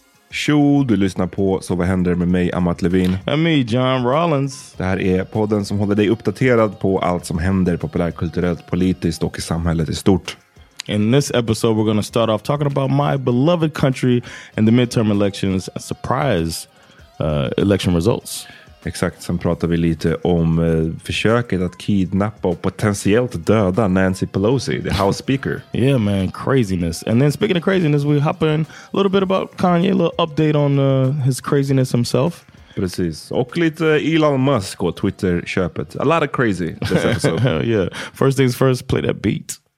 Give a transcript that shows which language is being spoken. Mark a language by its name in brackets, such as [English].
[Swedish] Tjo, du lyssnar på Så vad händer med mig, Amat Levin. [English] And me, John Rollins. [Swedish] Det här är podden som håller dig uppdaterad på allt som händer populärkulturellt, politiskt och i samhället i stort. [English] In this episode we're going to start off talking about my beloved country and the midterm elections and surprise election results. [Swedish] Exakt, sen pratar vi lite om försöket att kidnappa och potentiellt döda Nancy Pelosi, the House Speaker. [English] Yeah man, craziness. And then speaking of craziness, we hop in a little bit about Kanye, a little update on his craziness himself. [Swedish] Precis, och lite Elon Musk och Twitter-köpet. [English] A lot of crazy this episode. Yeah, first things first, play that beat.